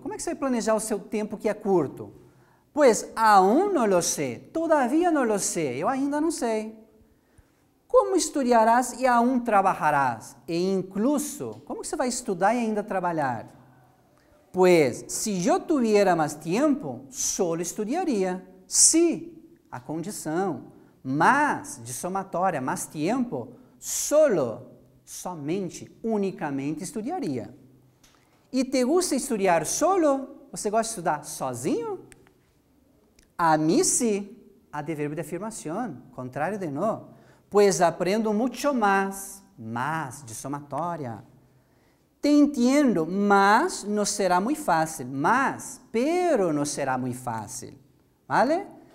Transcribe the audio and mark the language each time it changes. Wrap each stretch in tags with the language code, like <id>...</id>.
<es>¿Cómo es que se va a planear el seu tiempo que es curto? Pues aún no lo sé, todavía no lo sé,</es> <pt>yo ainda no sé.</pt> <es>¿Cómo estudiarás y aún trabajarás? E incluso, ¿cómo se va a estudiar y ainda trabajar? Pues si yo tuviera más tiempo, solo estudiaría. Sí, a condición.</es> <pt>Mas, de somatória, mais tempo, solo, somente, unicamente estudaria.</pt> <es>E te gusta estudiar solo?</es> <pt>Você gosta de estudar sozinho? A mim sim, adverbio de afirmação, contrário de no. Pois aprendo muito mais, mas, de somatória. Te entendo, mas não será muito fácil, mas, pero não será muito fácil. Vale?</pt>